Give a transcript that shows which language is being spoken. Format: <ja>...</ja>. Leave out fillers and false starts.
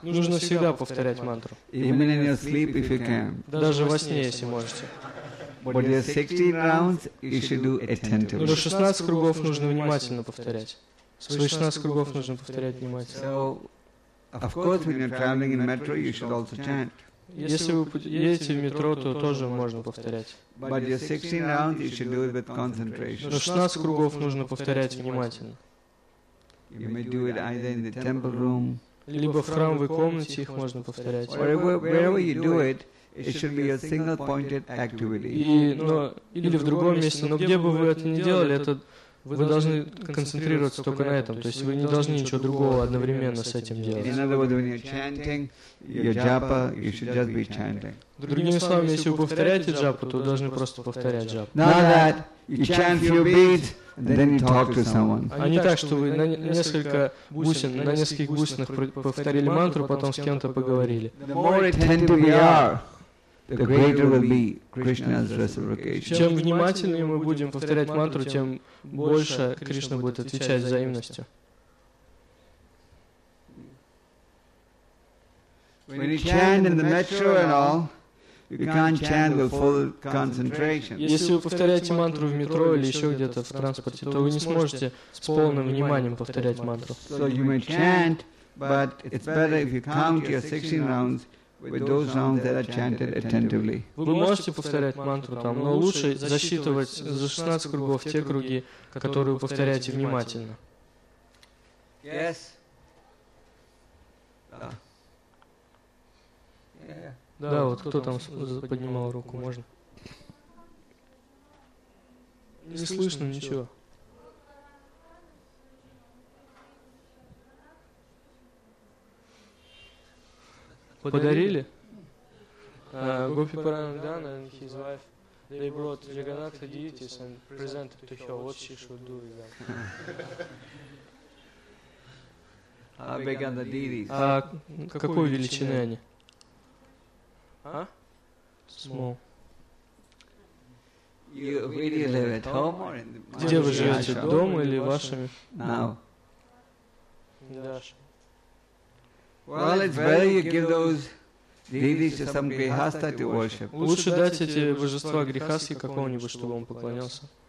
<ru>Нужно всегда повторять мантру.</ru> <en>Even in your sleep, if you can.</en> <ru>Даже во сне, если можете.</ru> <en>But your 16 rounds, you should do attentively.</en> <ru>Но 16 кругов нужно внимательно повторять. Свои 16 кругов нужно повторять внимательно.</ru> <en>So, of course, when you're traveling in metro, you should also chant.</en> <ru>Если вы едете в метро, то тоже можно повторять.</ru> <en>But your 16 rounds, you should do it with concentration.</en> <ru>Но 16 кругов нужно повторять внимательно.</ru> <en>You may do it either in the temple room.</en> <ru>Либо в храмовой комнате их можно повторять.</ru> <en>Wherever you do it, it should be a single-pointed activity.</en> <ru>Или в другом месте. Но где бы вы это ни делали, это вы должны концентрироваться только на этом. То есть вы не должны ничего другого одновременно с этим делать.</ru> <en>In other words, when you're chanting your japa, you should just be chanting.</en> <ru>Другими словами, если вы повторяете джапу, то вы должны просто повторять джапу.</ru> <en>Now that you chant few beats. Then you talk to someone.</en> <ru>А не так, что вы на несколько бусин, на нескольких бусинах повторили мантру, потом с кем-то поговорили.</ru> <en>The more attentive we are, the greater will be Krishna's reciprocation.</en> <ru>Чем внимательнее мы будем повторять мантру, тем больше Кришна будет отвечать взаимностью.</ru> <en>When you chant in the metro and all, you can't chant with full concentration.</en> <ru>Если вы повторяете мантру в метро или еще где-то в транспорте, то вы не сможете с полным вниманием повторять мантру.</ru> <en>So you may chant, but it's better if you count your 16 rounds with those rounds that are chanted attentively.</en> <ru>Вы можете повторять мантру там, но лучше засчитывать за 16 кругов те круги, которые вы повторяете внимательно.</ru> <en>Yes.</en> <ru>Да, вот кто там поднимал руку, можно? Не слышно ничего. Подарили?</ru> <en>Gopi Paramdana and his wife, they brought Jagannatha deities and presented to her what she should do with them. How big are the deities?</en> <ru>Какой величины они?</ru> <en>Small. You really live at home or in the...</en> <ru>Где вы живете, дома или вашими?</ru> <en>Now.</en> <ru>Даша.</ru> <en>Well, it's better you give those deities to some grihastha to worship.</en> <ru>Лучше дать эти божества грихасхи какому-нибудь, чтобы он поклонялся.</ru>